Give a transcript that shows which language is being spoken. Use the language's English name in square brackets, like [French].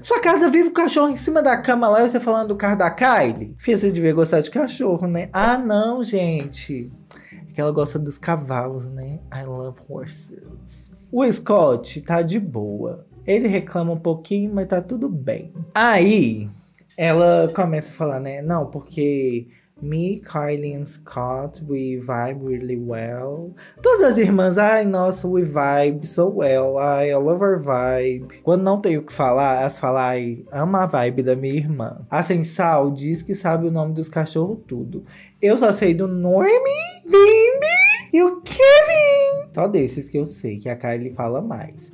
[Portuguese] Sua casa vive o cachorro em cima da cama lá e você falando do carro da Kylie? Filha, você devia gostar de cachorro, né? Ah, não, gente. É que ela gosta dos cavalos, né? [English] I love horses. [Portuguese] O Scott tá de boa. Ele reclama um pouquinho, mas tá tudo bem. Aí, ela começa a falar, né? Não, porque... [English] Me, Kylie and Scott, we vibe really well. [Portuguese] Todas as irmãs, ai, nossa, [English] we vibe so well. Ai, I love our vibe. [Portuguese] Quando não tenho o que falar, elas falam, ai, ama a vibe da minha irmã. A Sensal diz que sabe o nome dos cachorros tudo. Eu só sei do Normie, Bimbi e o Kevin. Só desses que eu sei, que a Kylie fala mais.